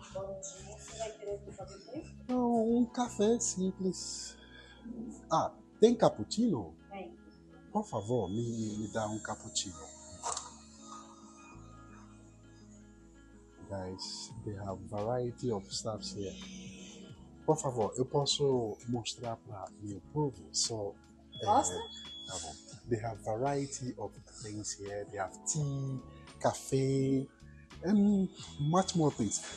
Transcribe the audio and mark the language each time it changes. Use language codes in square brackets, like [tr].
[pt] Bom dia. Oh, um café simples. Ah, tem cappuccino? Tem. Por favor, me dá um cappuccino. [en] Guys, they have a variety of stuff here. [pt] Por favor, eu posso mostrar para meu povo? [en] So, [pt] mostra? [en] Tá, they have a variety of things here. They have tea, café, and much more things.